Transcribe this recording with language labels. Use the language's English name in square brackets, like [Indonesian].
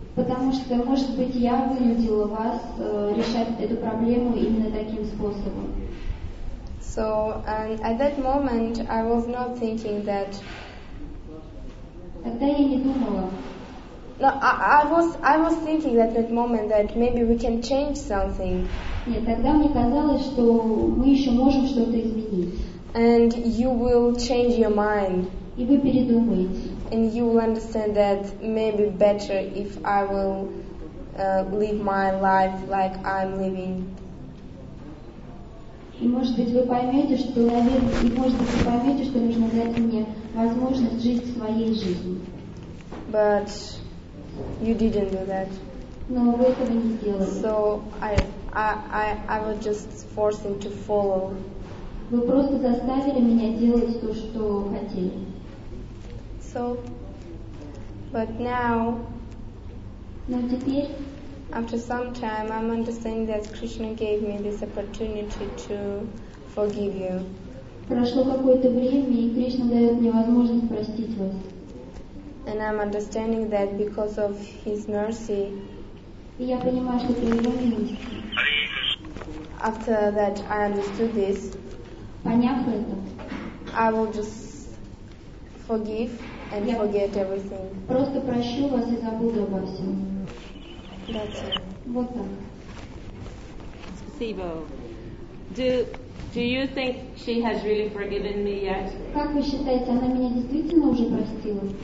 [Russian] Потому что, может быть, я вынудила вас решать эту проблему именно таким способом. [English] So, and at that moment, I was not thinking that. [Russian] Тогда я не думала. [English] No, I was thinking at that moment that maybe we can change something. [Russian] Нет, тогда мне казалось, что мы еще можем что-то изменить. [English] And you will change your mind. [Russian] И вы передумаете. [English] And you will understand that maybe better if I will live my life like I'm living. [Russian] И может быть вы поймете, что наверное, нужно дать мне возможность жить своей жизнью. [English] But you didn't do that. [Russian] Но вы этого не сделали. [English] So I was just forcing to follow. [Russian] Вы просто заставили меня делать то, что хотели. [English] So, but now. [Russian] Но теперь. [English] After some time, I'm understanding that Krishna gave me this opportunity to forgive you. [Russian] Прошло какое-то время, и Кришна дает мне возможность простить вас. [English] And I'm understanding that because of his mercy. [Russian] И я понимаю, что это его милость. [English] After that, I understood this. [Russian] Поняв это, [English] I will just forgive and forget everything. [Russian] Просто прощу вас и забуду обо всем. [English] That's it. [Russian] Вот так. Спасибо. [English] Do you think she has really forgiven me yet? [Russian] Как вы считаете, она меня действительно уже простила?